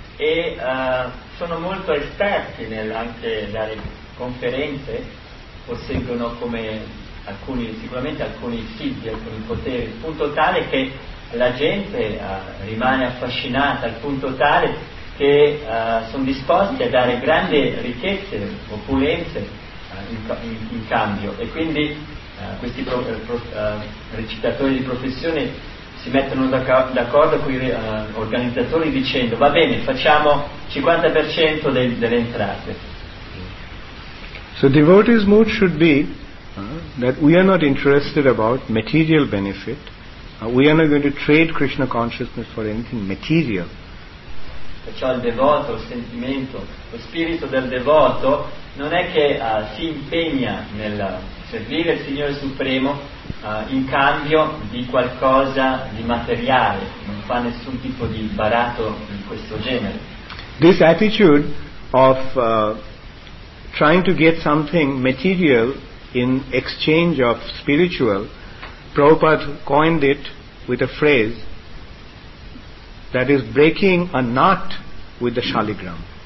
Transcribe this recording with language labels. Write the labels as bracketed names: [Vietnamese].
[Italian] E sono molto esperti anche dalle conferenze, posseggono come alcuni siti, alcuni poteri, al punto tale che la gente rimane affascinata, al punto tale che sono disposti a dare grandi ricchezze, opulenze in cambio. E quindi questi recitatori di professione si mettono d'accordo con gli organizzatori dicendo va bene, facciamo 50% delle entrate. [English] So devotee's mood should be that we are not interested about material benefit, we are not going to trade Krishna consciousness for anything material. [Italian] Perciò il devoto, il sentimento, lo spirito del devoto non è che si impegna nel servire il Signore Supremo in cambio di qualcosa di materiale, non fa nessun tipo di baratto di questo genere. [English] This attitude of trying to get something material in exchange of spiritual, Prabhupada coined it with a phrase that is breaking a nut with the shaligram.